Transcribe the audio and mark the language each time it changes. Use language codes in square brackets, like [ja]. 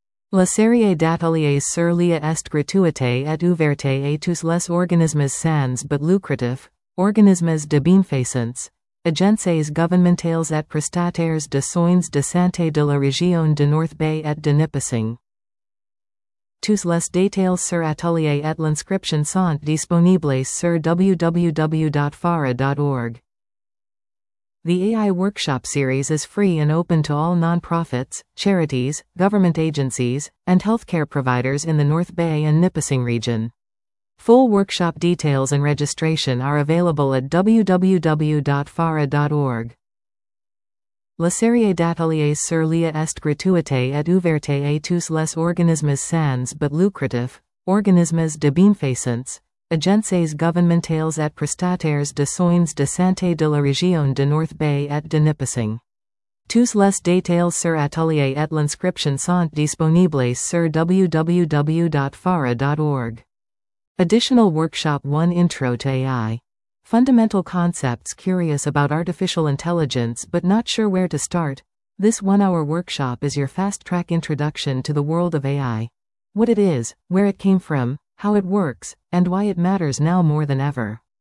[fr] La série d'ateliers sur l'IA est gratuite et ouverte à tous les organismes sans but lucratif, organismes de bienfaisance, agences gouvernementales et prestataires de soins de santé de la région de North Bay et de Nipissing. Tous les détails sur atelier et l'inscription sont disponibles sur www.fara.org. [en] The AI Workshop Series is free and open to all nonprofits, charities, government agencies, and healthcare providers in the North Bay and Nipissing region. Full workshop details and registration are available at www.fara.org. [fr] La série d'ateliers sur l'IA est gratuite et ouverte à tous les organismes sans but lucratif, organismes de bienfaisance, agences gouvernementales et prestataires de soins de santé de la région de North Bay et de Nipissing. Tous les détails sur atelier et l'inscription sont disponibles sur www.fara.org. [en] Additional Workshop 1 Intro to AI. Fundamental concepts. Curious about artificial intelligence but not sure where to start? This one-hour workshop is your fast-track introduction to the world of AI. What it is, where it came from, how it works, and why it matters now more than ever.